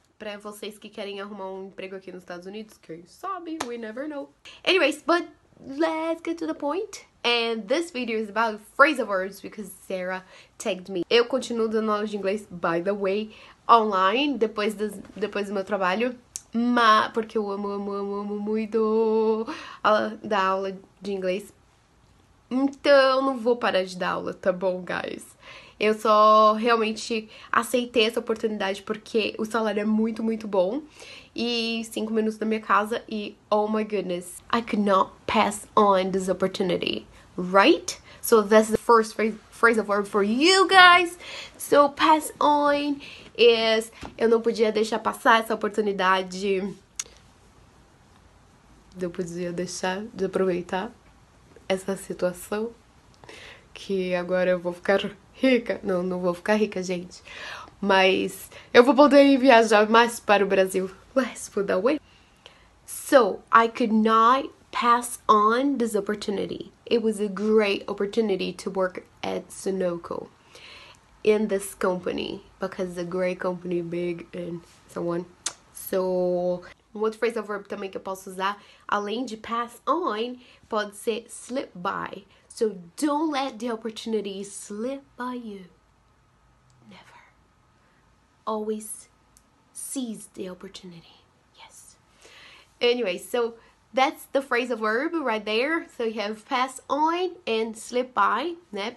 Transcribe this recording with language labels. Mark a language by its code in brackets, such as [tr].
[pt] Pra vocês que querem arrumar emprego aqui nos Estados Unidos. Quem sabe? [en] We never know. Anyways, but let's get to the point. And this video is about phrasal verbs because Sarah tagged me. [pt] Eu continuo dando aula de inglês, [en] by the way, [pt] online, depois do meu trabalho. Mas, porque eu amo muito dar aula de inglês. Então, não vou parar de dar aula, tá bom, guys? Eu só realmente aceitei essa oportunidade porque o salário é muito, muito bom. E 5 minutos da minha casa e, [en] oh my goodness, I could not pass on this opportunity, right? So that's the first phrasal verb for you guys. So pass on is, [pt] eu não podia deixar passar essa oportunidade. Eu podia deixar de aproveitar essa situação que agora eu vou ficar rica. Não, não vou ficar rica, gente. Mas eu vou poder viajar mais para o Brasil. [en] Let's put that way. So, I could not pass on this opportunity. It was a great opportunity to work at Sunoco in this company because it's a great company, big and so on. [pt] So, um outro phrasal verb também que eu posso usar, além de pass on, pode ser slip by. [en] So, don't let the opportunity slip by you. Never. Always seize the opportunity. Yes. Anyway, so that's the phrasal verb right there. So you have pass on and slip by, né?